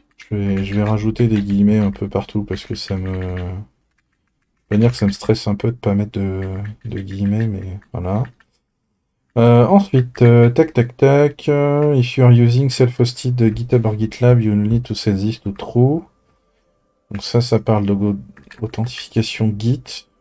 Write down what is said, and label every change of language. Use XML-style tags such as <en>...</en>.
<fr>Je vais rajouter des guillemets un peu partout parce que ça me. Je veux dire que ça me stresse un peu de pas mettre de guillemets, mais voilà. Ensuite, tac tac tac.</fr> <en>If you are using self-hosted GitHub or GitLab, you need to set this to true.</en> <fr>Donc ça parle d'authentification Git.</fr>